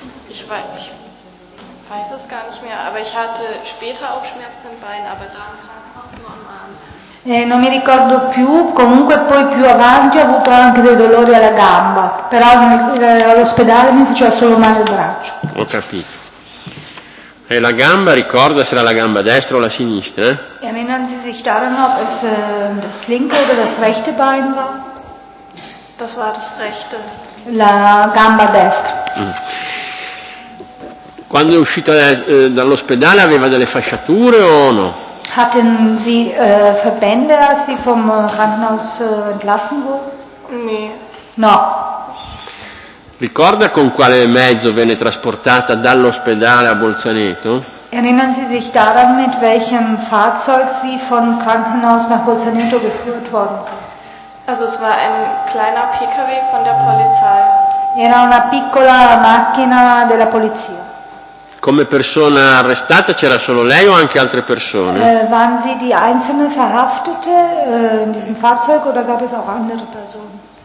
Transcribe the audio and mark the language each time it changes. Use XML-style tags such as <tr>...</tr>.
<de>Ich weiß es gar nicht mehr, aber ich hatte später auch Schmerzen im Bein, aber da im Krankenhaus nur am Arm.</de> <it>Non mi ricordo più, comunque poi più avanti ho avuto anche dei dolori alla gamba, però all'ospedale mi faceva solo male al braccio. Ho capito. E la gamba, ricorda se era la gamba destra o la sinistra?</it> <de>Erinnern Sie sich daran, ob es das linke oder das rechte Bein war? Das war das rechte.</de> <it>La gamba destra. Quando è uscita dall'ospedale aveva delle fasciature o no?</it> <de>Hatten Sie Verbände, als Sie vom Krankenhaus entlassen wurden? Nee.</de> <it>No. Ricorda con quale mezzo venne trasportata dall'ospedale a Bolzaneto?</it> <de>Erinnern Sie sich daran, mit welchem Fahrzeug Sie vom Krankenhaus nach Bolzaneto geführt worden sind? Also es war ein kleiner PKW von der Polizei.</de> <it>Era una piccola macchina della polizia. Come persona arrestata c'era solo lei o anche altre persone?</it> <de>Waren Sie die einzelne Verhaftete in diesem Fahrzeug oder gab es auch andere Personen?</de>